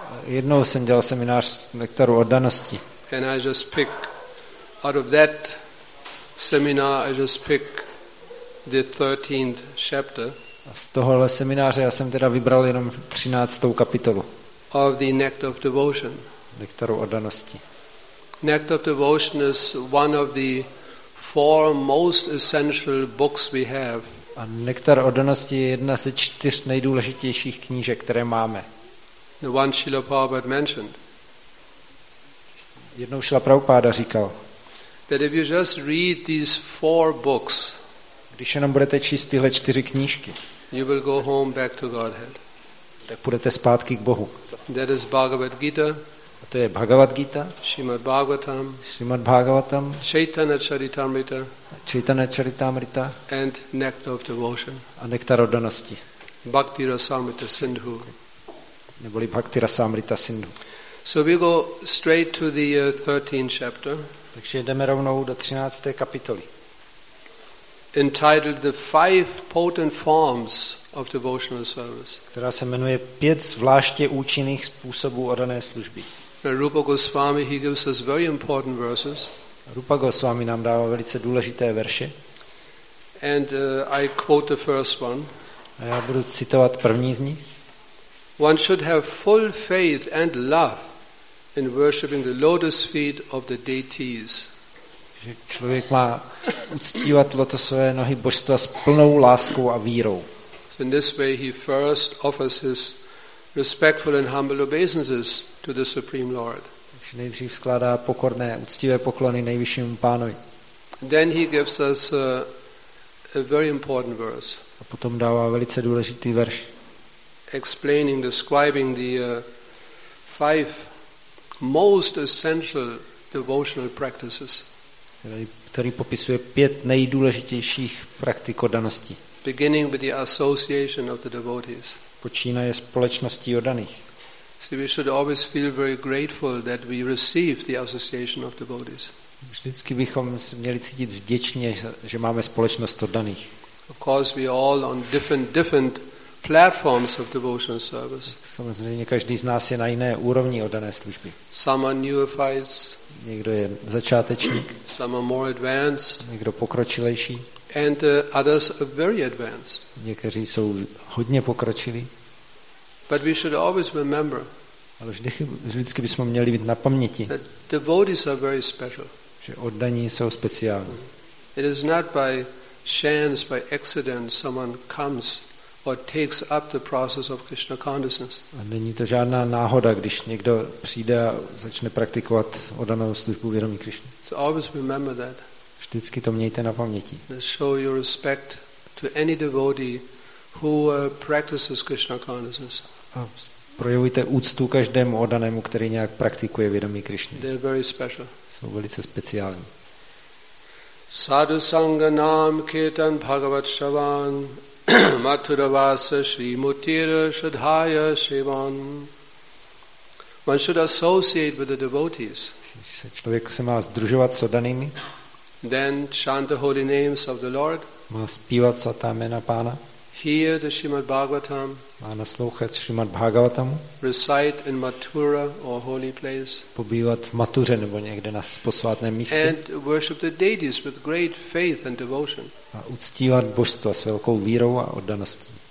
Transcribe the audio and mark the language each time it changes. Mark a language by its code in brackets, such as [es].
[cs] Jednou jsem dělal seminář z nektaru oddanosti. [en] And I just pick out of that seminar, I just pick the 13th chapter. [cs] Z tohohle semináře já jsem teda vybral jenom 13. kapitolu. [en] Of the nectar of devotion. [cs] Nektaru oddanosti. [en] Nectar of devotion is one of the four most essential books we have. [cs] A Nektar oddanosti je jedna ze čtyř nejdůležitějších knížek, které máme. [en] The one Srila Prabhupada mentioned. [cs] Jednou Srila Prabhupada říkal. [en] That if you just read these four books. [cs] Když jenom budete číst tyhle čtyři knížky. [en] You will go home back to Godhead. [cs] Tak půjdete zpátky k Bohu. [en] That is Bhagavad Gita. [cs] A to je Bhagavad Gita. [en] Srimad Bhagavatam. [cs] Srimad Bhagavatam. [en] Chaitanya Charitamrita. [cs] Chaitanya Charitamrita. [en] And Nectar of Devotion. [cs] A Nektar oddanosti. [en] Bhakti Rasamrita Sindhu. [cs] Neboli Bhakti Rasamrita Sindhu. [en] So we go straight to the 13th chapter. [cs] Takže jdeme rovnou do 13. kapitoly. [en] Entitled The Five Potent Forms of Devotional Service. [cs] Která se jmenuje Pět zvláště účinných způsobů oddané služby. [en] Rupa Goswami, he gives us very important verses. [cs] Rupa Goswami nám dává velice důležité verše. [en] And I quote the first one. [cs] A já budu citovat první z nich. [en] One should have full faith and love in worshiping the lotus feet of the deities. [cs] Že člověk má uctívat lotosové nohy božstva s plnou láskou a vírou. [en] So in this way he first offers his respectful and humble obeisances to the Supreme Lord. [cs] Takže nejdřív skládá pokorné, uctivé poklony nejvyššímu pánovi. [en] Then he gives us a very important verse. [cs] A potom dává velice důležitý verš. [en] Explaining, describing the five most essential devotional practices. [cs] Který popisuje pět nejdůležitějších praktik oddaností. [en] Beginning with the association of the devotees. [cs] Počínaje společností oddaných. [en] So we should always feel very grateful that we receive the association of devotees. [cs] Vždycky bychom měli cítit vděčně, že máme společnost oddaných. [en] Of course we are all on different platforms of devotion service. [cs] Samozřejmě každý z nás je na jiné úrovni oddané služby. [en] Some are neophytes. [cs] Někdo je začátečník. [en] Some are more advanced. [cs] Někdo pokročilejší. [en] And others are very advanced. [cs] Někteří jsou hodně pokročilí. [en] But we should always remember. [cs] Ale vždycky bychom měli být na paměti. [en] That devotees are very special. [cs] Že oddaní jsou speciální. [en] It is not by chance, by accident, someone comes or takes up the process of Krishna consciousness. [cs] A není to žádná náhoda, když někdo přijde a začne praktikovat oddanou službu vědomí Krišny. [en] So always remember that. [cs] Vždycky to mějte na paměti. [en] Show your respect to any devotee who practices Krishna consciousness. [cs] A projevujte úctu každému oddanému, který nějak praktikuje vědomí Krišny. [en] They are very special. [cs] Jsou velice speciální. [sa] Sadhu sanga nam kirtan bhagavat shravan Maturavasa Shri Mutira Shadhaya Shivan. [en] One should associate with the devotees. [cs] Člověk se má združovat s oddanými. [en] Then chant the holy names of the Lord. [cs] Má zpívat svatá jména pána. [en] Hear the Srimad Bhagavatam. [cs] Má naslouchat Srimad Bhagavatam. [en] Recite in Mathura or holy place. [cs] Pobývat v Mathuře nebo někde na posvátném místě. [en] And worship the deities with great faith and devotion. [cs] A uctívat božstva s velkou vírou a oddaností.